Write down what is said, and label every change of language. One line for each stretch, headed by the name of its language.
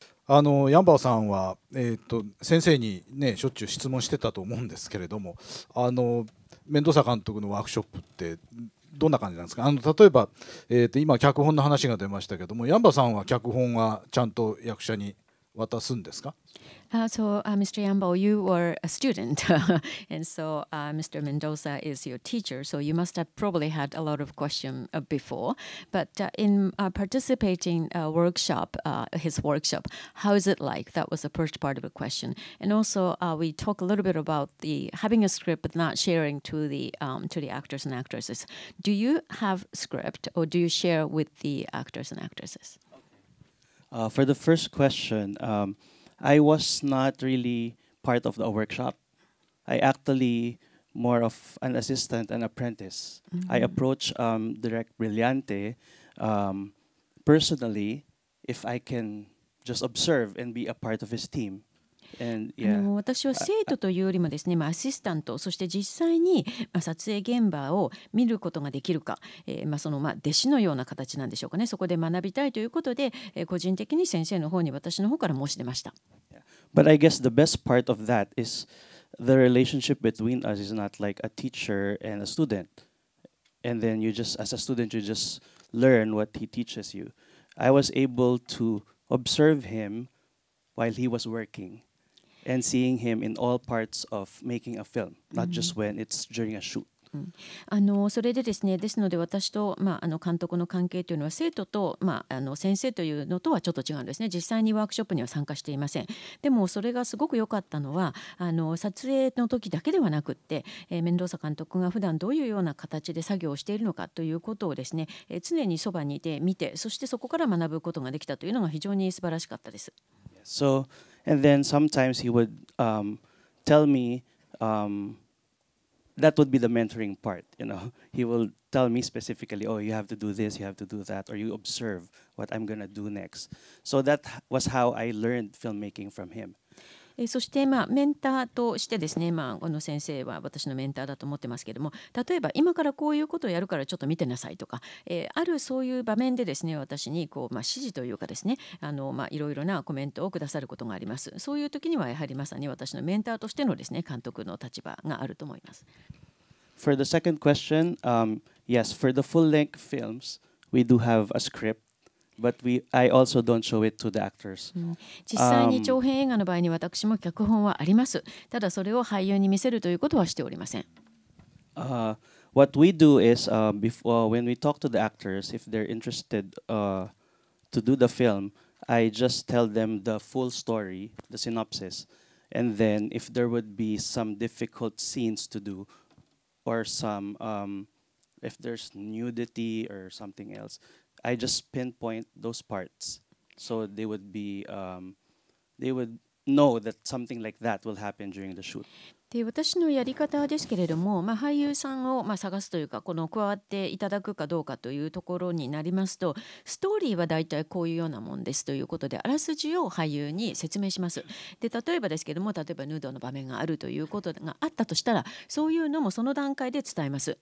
Japanese: あのヤンバオさんは、先生に、ね、しょっちゅう質問してたと思うんですけれども、あのメンドーサ監督のワークショップってどんな感じなんですか。あの例えば、今脚本の話が出ましたけども、ヤンバオさんは脚本はちゃんと役者に渡すんですか？
English: Mr. Yambao, you were a student, and so Mr. Mendoza is your teacher, so you must have probably had a lot of questions before. But in participating workshop, his workshop, how is it like? That was the first part of the question. And also, we talk a little bit about the having a script but not sharing to the actors and actresses. Do you have script or do you share with the actors and actresses? For the first question, I was not really part of the workshop. I actually more of an assistant, an apprentice. Mm-hmm. I approach direct Brillante personally if I can just observe and be a part of his team. Yeah.
Japanese: 私は生徒というよりもですね、まあ、アシスタント、そして実際に、まあ、撮影現場を見ることができるか、まあ、そのまあ弟子のような形なんでしょうかね、そこで学びたいということで、個人的に先生の方に私の方から申し出ました。
English: But I guess the best part of that is the relationship between us is not like a teacher and a student. And then you just, as a student, you just learn what he teaches you. I was able to observe him while he was working. And seeing him in all parts of making a film, not just when it's during a shoot.
Japanese: それでですね、ですので私と、まあ、あの監督の関係というのは生徒と、まあ、あの先生というのとはちょっと違うんですね。実際にワークショップには参加していません。でもそれがすごく良かったのは、あの撮影の時だけではなくって、メンドーサ監督が普段どういうような形で作業をしているのかということをですね、常にそばにいて見て、そしてそこから学ぶことができたというのが非常に素晴らしかったです。
English: So, and then sometimes he would tell me, that would be the mentoring part, you know. He will tell me specifically, oh, you have to do this, you have to do that, or you observe what I'm going to do next. So that was how I learned filmmaking from him.
Japanese: そして、まあ、メンターとしてですね、まあ、この先生は私のメンターだと思ってますけれども、例えば今からこういうことをやるからちょっと見てなさいとか、あるそういう場面でですね、私にこう、まあ、指示というかですね、あの、まあ、いろいろなコメントをくださることがあります。そういう時にはやはりまさに私のメンターとしてのですね、監督の立場があると思います。
English: For the second question, yes, for the full length films, we do have a script. But I also don't show it to the actors.
Japanese: 実際に長編映画の場合に私も脚本はあります。ただそれを俳優に見せるということはしておりません。
English: What we do is, before, when we talk to the actors, if they're interested, to do the film, I just tell them the full story, the synopsis, And then if there would be some difficult scenes to do or some, if there's nudity or something else, I just pinpoint those parts. So they would be, they would know that something like that will happen during the shoot.
Japanese: で私のやり方ですけれども、まあ、俳優さんを、まあ、探すというかこの加わっていただくかどうかというところになりますとストーリーはだいたいこういうようなもんですということであらすじを俳優に説明します。で例えばですけれども例えばヌードの場面があるということがあったとしたらそういうのもその段階で伝えます。